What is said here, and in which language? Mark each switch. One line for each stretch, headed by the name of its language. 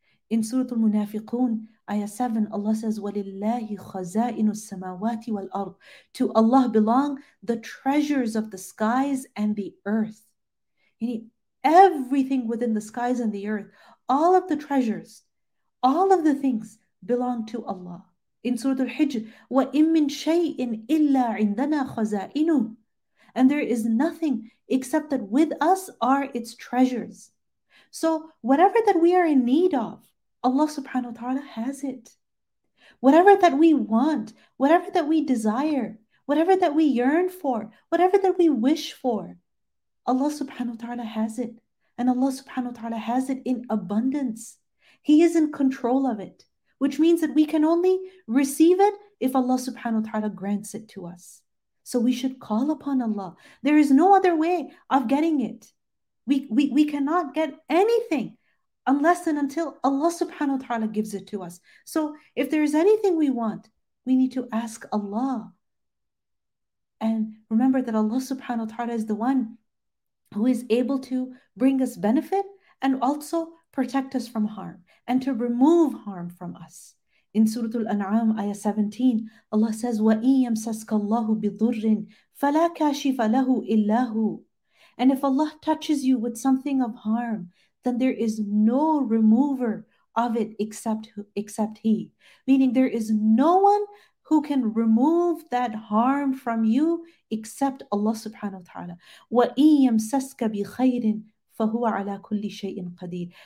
English: In Surah Al-Munafiqun, ayah 7, Allah says,
Arabic: وَلِلَّهِ خَزَائِنُ السَّمَاوَاتِ وَالْأَرْضِ.
English: To Allah belong the treasures of the skies and the earth. Everything within the skies and the earth, all of the treasures, all of the things belong to Allah. In Surah Al-Hijr,
Arabic: وَإِن مِّن شَيْءٍ إِلَّا عِنْدَنَا خَزَائِنُ.
English: And there is nothing except that with us are its treasures. So whatever that we are in need of, Allah subhanahu wa ta'ala has it. Whatever that we want, whatever that we desire, whatever that we yearn for, whatever that we wish for, Allah subhanahu wa ta'ala has it. And Allah subhanahu wa ta'ala has it in abundance. He is in control of it. which means that we can only receive it if Allah subhanahu wa ta'ala grants it to us. So we should call upon Allah. There is no other way of getting it. We cannot get anything unless and until Allah subhanahu wa ta'ala gives it to us. So if there is anything we want, we need to ask Allah. And remember that Allah subhanahu wa ta'ala is the one who is able to bring us benefit and also protect us from harm and to remove harm from us. In Surah Al-An'am, ayah 17, Allah says,
Arabic: وَإِن يَمْسَسْكَ اللَّهُ بِضُرٍّ فَلَا كَاشِفَ لَهُ إِلَّا هُوَ.
English: And if Allah touches you with something of harm, then there is no remover of it except He. Meaning there is no one who can remove that harm from you except Allah subhanahu wa ta'ala.
Arabic: وَإِن يَمْسَسْكَ بِخَيْرٍ فَهُوَ عَلَىٰ كُلِّ شَيْءٍ قَدِيرٍ.